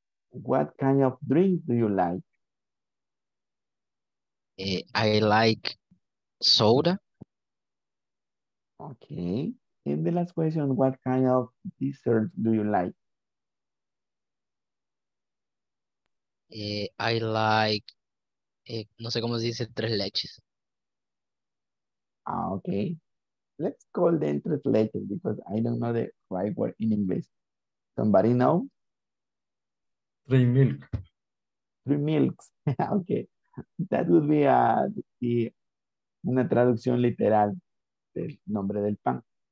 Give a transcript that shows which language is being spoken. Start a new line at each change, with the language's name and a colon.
English: What kind of drink do you like? I like soda. Okay. And the last question, what kind of dessert do you like? I like,
Spanish: no sé cómo se dice,
English: tres leches. Ah, okay. Let's call them tres leches because I don't know the right word in English. Somebody know? Three milk. Three milks. Okay. That would be
Spanish: una traducción literal del nombre del pan.